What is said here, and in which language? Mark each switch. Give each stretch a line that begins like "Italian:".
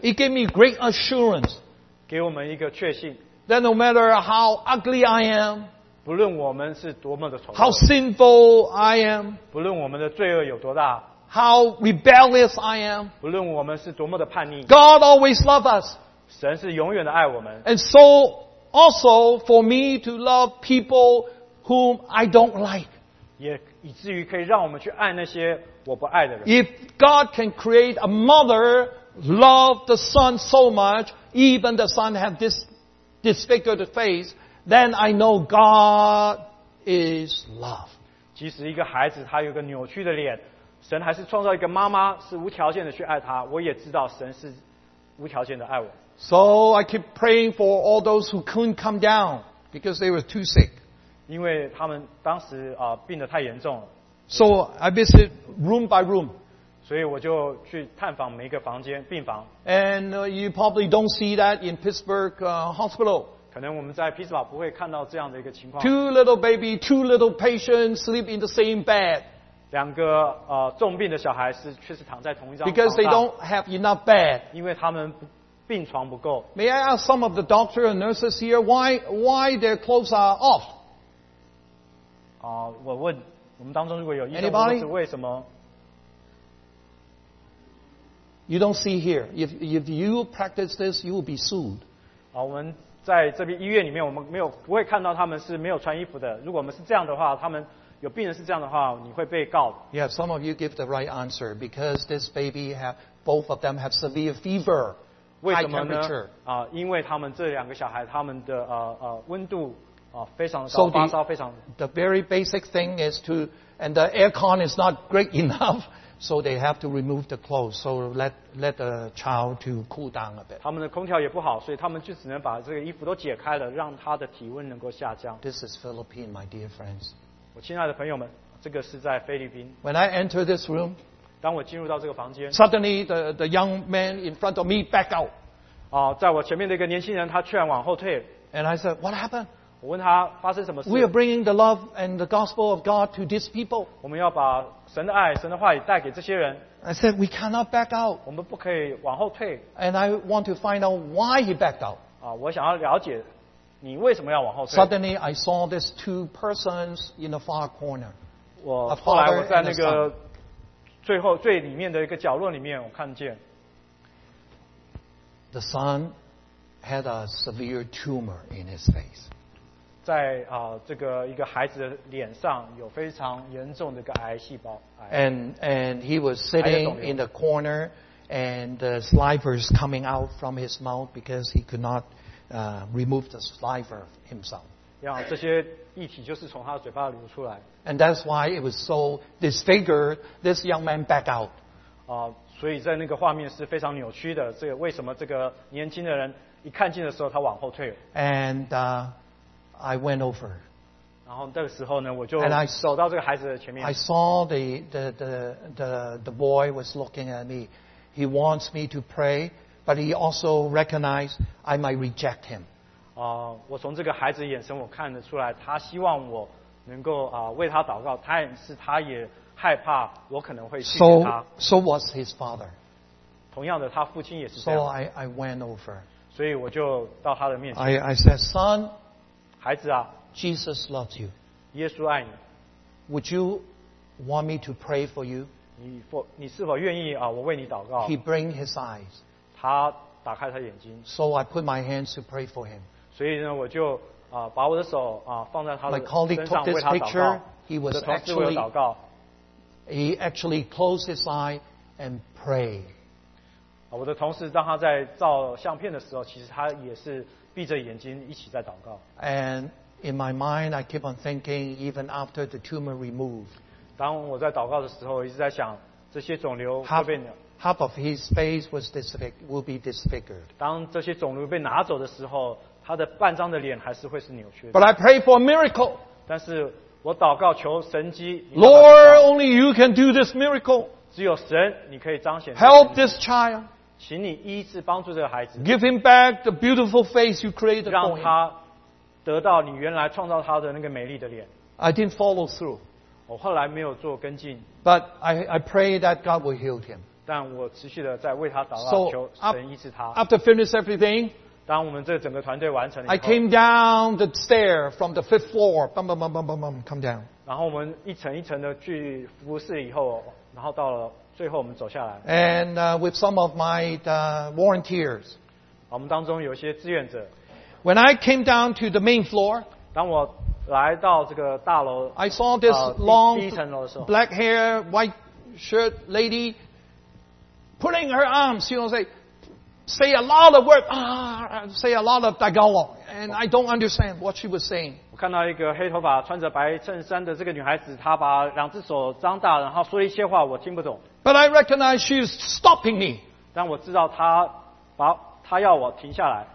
English: It gave me great assurance,
Chinese: 给我们一个确信。
English: That no matter how ugly I am,
Chinese: 不论我们是多么的丑陋。
English: How sinful I am,
Chinese: 不论我们的罪恶有多大。
English: How rebellious I am,
Chinese: 不论我们是多么的叛逆。
English: God always loves us.
Chinese: 神是永远的爱我们。
English: And so also for me to love people whom I don't like.
Chinese: 也以至于可以让我们去爱那些我不爱的人。
English: If God can create a mother love the son so much, even the son have this disfigured face, then I know God is love.
Chinese: 即使一个孩子他有个扭曲的脸，神还是创造一个妈妈是无条件的去爱他，我也知道神是无条件的爱我。
English: So I keep praying for all those who couldn't come down because they were too sick.
Chinese: 因为他们当时病得太严重了。
English: So I visit room by room.
Chinese: 所以我就去探访每一个房间病房。
English: And you probably don't see that in Pittsburgh hospital.
Chinese: 可能我们在匹兹堡不会看到这样的一个情况。
English: Two little baby, two little patients sleep in the same bed.
Chinese: 两个重病的小孩是确实躺在同一张床上。
English: Because they don't have enough bed.
Chinese: 因为他们病床不够。
English: May I ask some of the doctors and nurses here why their clothes are off?
Chinese: 我问我们当中如果有医生，问是为什么
English: ？You don't see here. If you practice this, you will be sued.
Chinese: 我们在这边医院里面，我们没有不会看到他们是没有穿衣服的。如果我们是这样的话，他们有病人是这样的话，你会被告。
English: Yeah, some of you give the right answer because this baby have both of them have severe fever.
Chinese: 为什么呢？因为他们这两个小孩，他们的温度非常高，发烧非常。
English: The very basic thing is to, and the aircon is not great enough, so they have to remove the clothes. So let the child to cool down a bit.
Chinese: 他们的空调也不好，所以他们就只能把这个衣服都解开了，让他的体温能够下降。
English: This is Philippines, my dear friends.
Chinese: 我亲爱的朋友们，这个是在菲律宾。
English: When I enter this room.
Chinese: 当我进入到这个房间
English: ，Suddenly the young man in front of me back out。
Chinese: 在我前面的一个年轻人，他居然往后退。
English: And I said, "What happened?"
Chinese: 我问他发生什么事。
English: We are bringing the love and the gospel of God to these people。
Chinese: 我们要把神的爱、神的话语带给这些人。
English: I said, "We cannot back out."
Chinese: 我们不可以往后退。
English: And I want to find out why he backed out。
Chinese: 我想要了解你为什么要往后退。
English: Suddenly, I saw these two persons in the far corner.
Chinese: 我后来我在那个。最后最里面的一个角落里面我看见
English: The son had a severe tumor in his face.
Chinese: 在这个一个孩子的脸上有非常严重的一个癌细胞。
English: And he was sitting in the corner and the saliva is coming out from his mouth because he could not remove the saliva himself.
Chinese: 这些液体就是从他的嘴巴流出来。
English: And that's why it was so disfigured. This young man back out.
Chinese: 所以在那个画面是非常扭曲的。这个为什么这个年轻的人一看见的时候他往后退
English: ？And I went over.
Chinese: 然后那个时候呢，我就走到这个孩子的前面。
English: I saw the boy was looking at me. He wants me to pray, but he also recognized I might reject him.
Chinese: 我从这个孩子的眼神我看得出来，他希望我。能够为他祷告，但是他也害怕我可能会拒绝他。
English: So was his father.
Chinese: 同样的，他父亲也是这样。
English: So I went over.
Chinese: 所以我就到他的面前。
English: I said, son,
Chinese: 孩子啊
English: ，Jesus loves you.
Chinese: 耶稣爱你。
English: Would you want me to pray for you?
Chinese: 你是否愿意我为你祷告
English: ？He bring his eyes.
Chinese: 他打开他眼睛。
English: So I put my hands to pray for him.
Chinese: 所以呢，我就。把我的手放在他的身上
English: 为他祷告。My colleague took this picture. He was actually, closed his eye and prayed.
Chinese: 我的同事当他在照相片的时候，其实他也是闭着眼睛一起在祷告。
English: And in my mind, I keep on thinking, even after the tumor removed.
Chinese: 当我在祷告的时候，一直在想这些肿瘤会被。
English: Half of his face was will be disfigured.
Chinese: 当这些肿瘤被拿走的时候，他的半张的脸还是会是扭曲的。
English: But I pray for a miracle.
Chinese: 但是我祷告求神迹。
English: Lord, only you can do this miracle.
Chinese: 只有神你可以彰显。
English: Help this child.
Chinese: 请你医治帮助这个孩子。
English: Give him back the beautiful face you created for him.
Chinese: 让他得到你原来创造他的那个美丽的脸。
English: I didn't follow through.
Chinese: 我后来没有做跟进。
English: But I pray that God will heal him.
Chinese: 但我持续的在为他祷告，求神医治他。
English: So, after finish everything,
Chinese: 当我们这整个团队完成了以后，
English: I came down the stair from the fifth floor, bum bum bum bum bum bum, come down.
Chinese: 然后我们一层一层的去服侍以后，然后到了最后我们走下来。
English: And with some of my volunteers,
Chinese: 我们当中有些志愿者。
English: When I came down to the main floor,
Chinese: 当我来到这个大楼，
English: I saw this long,
Chinese: 第一层楼的时候，
English: black hair, white shirt lady. Putting her arms, she will say a lot of words, say a lot of Tagalog, and I don't understand what she was saying.
Chinese: 我看到一个黑头发穿着白衬衫的这个女孩子，她把两只手张大，然后说一些话我听不懂。
English: But I recognize she's stopping me.
Chinese: 但我知道她要我停下来。